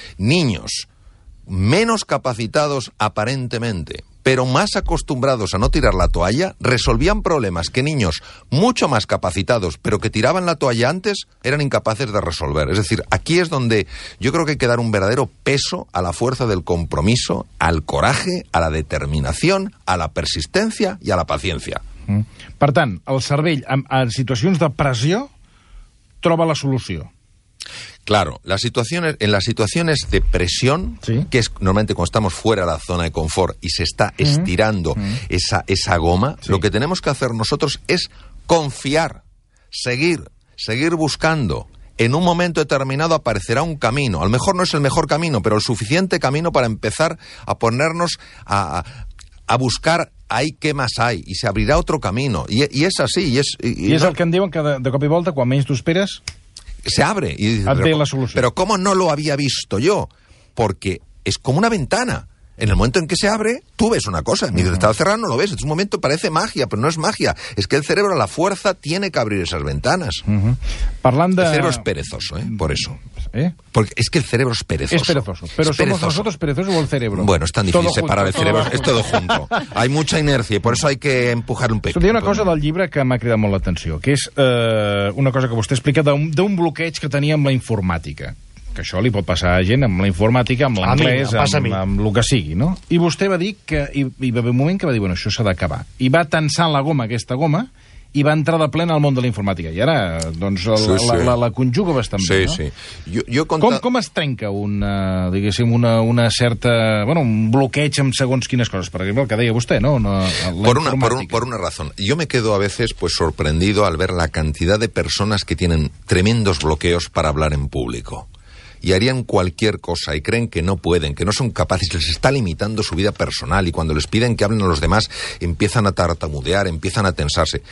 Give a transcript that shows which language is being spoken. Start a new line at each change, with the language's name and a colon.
Spanish: Niños menos capacitados aparentemente, pero más acostumbrados a no tirar la toalla, resolvían problemas que niños mucho más capacitados, pero que tiraban la toalla antes, eran incapaces de resolver. Es decir, aquí es donde yo creo que hay que dar un verdadero peso a la fuerza del compromiso, al coraje, a la determinación, a la persistencia y a la paciencia. Mm.
Catalan: Per tant, el cervell, en situacions de pressió, troba la solució.
Spanish: Claro, en las situaciones de presión, ¿sí? Que es normalmente cuando estamos fuera de la zona de confort y se está estirando esa goma, ¿sí? Lo que tenemos que hacer nosotros es confiar, seguir buscando. En un momento determinado aparecerá un camino. A lo mejor no es el mejor camino, pero el suficiente camino para empezar a ponernos a buscar ahí qué más hay. Y se abrirá otro camino. Y es así. Y es el que dicen que
Catalan: de cop y volta,
Spanish: cuando menos tú esperas, se abre y dice, pero ¿cómo no lo había visto yo? Porque es como una ventana. En el momento en que se abre, tú ves una cosa. Mientras estaba cerrado, no lo ves. En un momento parece magia, pero no es magia. Es que el cerebro, a la fuerza, tiene que abrir esas ventanas. Parlando de... El cerebro es perezoso, por eso. Porque es que el cerebro es perezoso. Es perezoso. Pero es perezoso. ¿Somos nosotros perezosos o el cerebro? Bueno, es tan difícil separar el cerebro. Es todo junto. Hay mucha inercia y por eso hay que empujar un pequeño.
Catalan: Hi ha una cosa del llibre que m'ha cridat molt l'atenció, que és una cosa que vostè explica d'un bloqueig que tenia amb la informàtica. Que això li pot passar a gent amb la informàtica, amb l'anglès, amb el que sigui, no? I vostè va dir que... I va haver un moment que va dir, bueno, això s'ha d'acabar. I va tensar la goma, aquesta goma, i va entrar de plena al món de la informàtica. I ara, doncs, la conjuga bastant bé, sí, no? Sí, sí. Com es trenca una certa... Bueno, un bloqueig amb segons quines coses? Per exemple, el que deia vostè, no?
Spanish: Por una razón. Yo me quedo a veces pues sorprendido al ver la cantidad de personas que tienen tremendos bloqueos para hablar en público. Y harían cualquier cosa y creen que no pueden, que no son capaces, les está limitando su vida personal y cuando les piden que hablen a los demás empiezan a tartamudear, empiezan a tensarse.